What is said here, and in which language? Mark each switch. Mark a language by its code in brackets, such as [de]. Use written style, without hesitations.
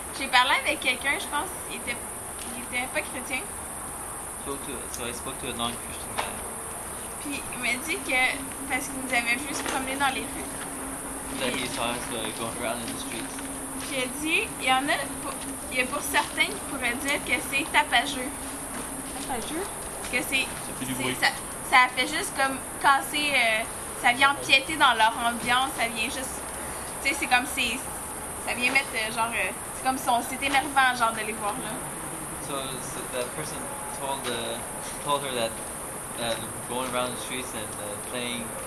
[fr] J'ai parlé avec quelqu'un, je pense, il était pas chrétien. [en] I spoke to a non-Christian guy. [fr] Puis il m'a dit que parce qu'il nous avait vu se promener dans les rues. [en] Puis, that he saw us going around in the streets. [fr] J'ai dit, il y a pour certains qui pourraient dire que c'est tapageux. Tapageux? Que c'est... Ça fait du bruit. Ça fait juste comme casser... ça vient empiéter dans leur ambiance, ça vient juste... Tu sais, c'est comme si... Ça vient mettre genre... C'est comme si c'est énervant genre de les voir là. [en] So that person... told her that going around the streets and playing